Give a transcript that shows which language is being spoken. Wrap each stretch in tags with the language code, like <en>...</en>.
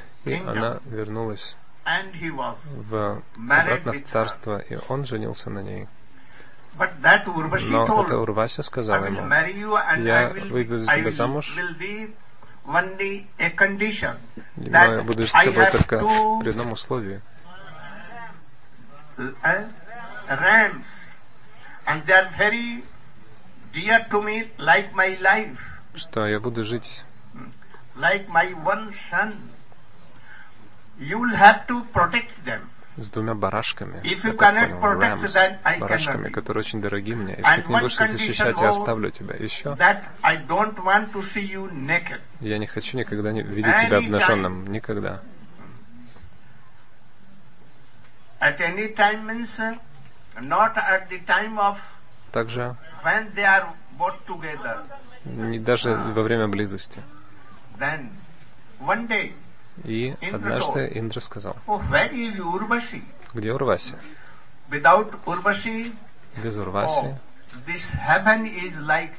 <ru>И она вернулась обратно в царство, и он женился на ней. Но это Урваши сказал ему, «Я выйду за тебя замуж, но я буду с тобой только при одном условии.</ru> <en>Rams, and they are very dear to me, like my life.</en> <ru>Что я буду жить?</ru> <en>Like my one son. You will have to protect them.</en> <ru>С двумя барашками.</ru> <en>If you cannot protect them, I cannot.</en> <ru>Барашками, которые очень дороги мне. Если ты не будешь защищать, я оставлю тебя. Еще.</ru> <en>That I don't want to see you naked.</en> <ru>Я не хочу никогда не видеть тебя обнаженным. Никогда.</ru> <en>At any time means not at the time of</en> <ru>также,</ru> <en>when they are both together.</en> <ru>Не даже во время близости.</ru> <en>Then one day.</en> <ru>И однажды Индра сказал.</ru> <en>Oh, where is Urvashi?</en> <ru>Где Урваси?</ru> <en>Without Urvashi.</en> <ru>Без Урваси.</ru> <en>Oh, this heaven is like.</en>